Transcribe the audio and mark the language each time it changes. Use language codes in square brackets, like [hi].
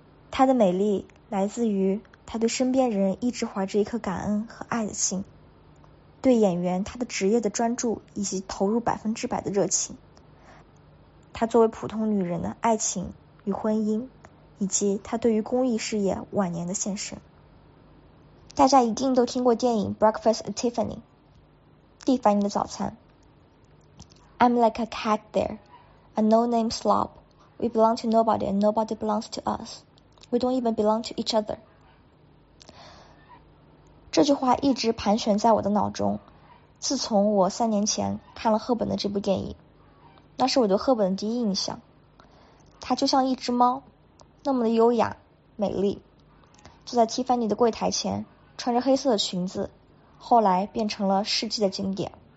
[zh] 她的美丽来自于她对身边人一直怀着一颗感恩和爱的心，对演员她的职业的专注以及投入100%的热情，她作为普通女人的爱情与婚姻，以及她对于公益事业晚年的献身。大家一定都听过电影《Breakfast at Tiffany》，蒂凡尼的早餐。 [en] I'm like a cat there, a no-name slob. We belong to nobody, and nobody belongs to us. We don't even belong to each other. [zh] 这句话一直盘旋在我的脑中，自从我3年前看了赫本的这部电影。那是我对赫本的第一印象，她就像一只猫，那么的优雅美丽，坐在蒂凡尼的柜台前，穿着黑色的裙子，后来变成了世纪的经典。